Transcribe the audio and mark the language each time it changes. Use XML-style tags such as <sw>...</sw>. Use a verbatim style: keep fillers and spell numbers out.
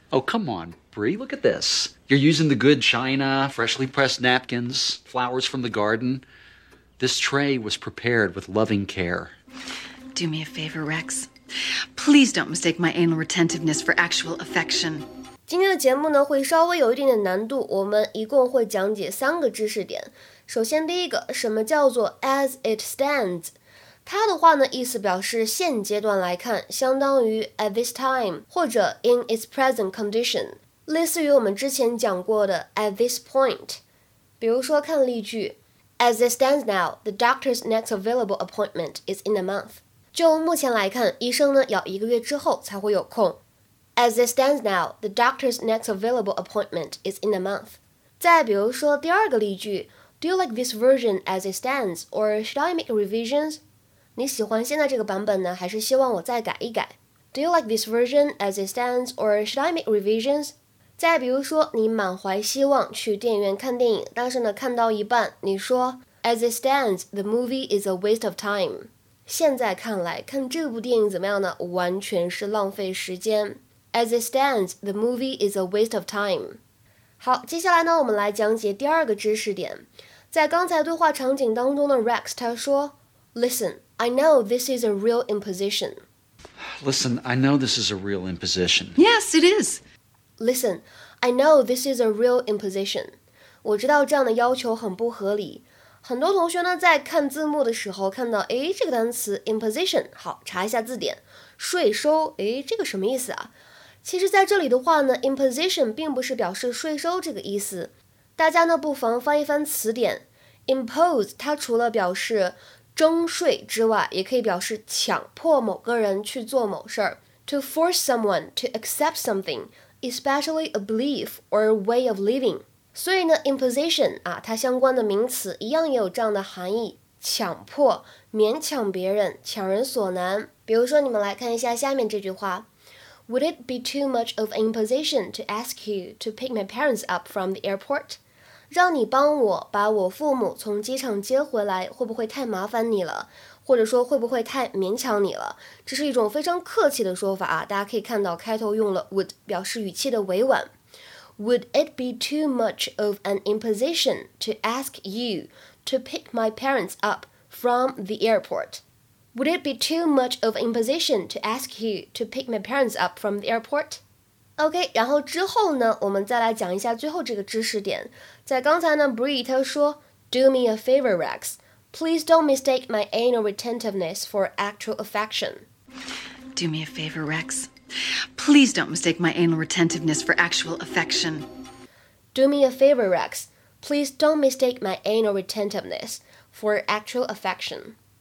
<en>Oh, come on, Bree, look at this. You're using the good china, freshly pressed napkins, flowers from the garden. This tray was prepared with loving care. Do me a favor, Rex. Please don't mistake my anal retentiveness for actual affection.</en> <zh>今天的节目呢会稍微有一点点难度，我们一共会讲解三个知识点。首先第一个，什么叫做</zh> <en>as it stands？</en> <zh>它的话呢意思表示现阶段来看，相当于</zh> <en>at this time</en> <zh>或者</zh> <en>in its present condition，</en> <zh>类似于我们之前讲过的</zh> <en>at this point。</en> <zh>比如说看例句</zh> <en>，As it stands now, the doctor's next available appointment is in a month。</en> <zh>就目前来看，医生呢要一个月之后才会有空。</zh> <en>As it stands now, the doctor's next available appointment is in a month.</en> <zh>再比如说第二个例句</zh> <en>，Do you like this version as it stands, or should I make revisions?</en> <zh>你喜欢现在这个版本呢，还是希望我再改一改</zh> <en>？Do you like this version as it stands, or should I make revisions?</en> <zh>再比如说，你满怀希望去电影院看电影，但是呢，看到一半，你说</zh> <en>As it stands, the movie is a waste of time.</en> <zh>现在看来，看这部电影怎么样呢？完全是浪费时间。</zh> <en>As it stands, the movie is a waste of time.</en> <zh>好，接下来呢，我们来讲解第二个知识点。在刚才对话场景当中的 Rex 他说</zh> <en>Listen, I know this is a real imposition. Listen, I know this is a real imposition. Yes, it is. Listen, I know this is a real imposition.</en> <zh>我知道这样的要求很不合理。很多同学呢，在看字幕的时候看到，诶，这个单词 imposition， 好，查一下字典，税收，诶，这个什么意思啊？其实在这里的话呢 imposition 并不是表示税收这个意思，大家呢不妨翻一翻词典 impose 它除了表示征税之外，也可以表示强迫某个人去做某事儿。</zh> <en>to force someone to accept something, especially a belief or a way of living.</en> <zh>所以呢 imposition 啊，它相关的名词一样也有这样的含义，强迫，勉强别人，强人所难。比如说你们来看一下下面这句话，</zh> <en>Would it be too much of an imposition to ask you to pick my parents up from the airport?</en> <zh>让你帮我把我父母从机场接回来，会不会太麻烦你了？或者说会不会太勉强你了？这是一种非常客气的说法啊，大家可以看到开头用了 would 表示语气的委婉。</zh> <en>Would it be too much of an imposition to ask you to pick my parents up from the airport? Would it be too much of an imposition to ask you to pick my parents up from the airport?</en> <zh>OK, 然后之后呢，我们再来讲一下最后这个知识点。在刚才呢 Bree 她说</zh> <en>Do me a favor, Rex. Please don't mistake my anal retentiveness for actual affection. Do me a favor, Rex. Please don't mistake my anal retentiveness for actual affection. Do me a favor, Rex. Please don't mistake my anal retentiveness for actual affection.</en>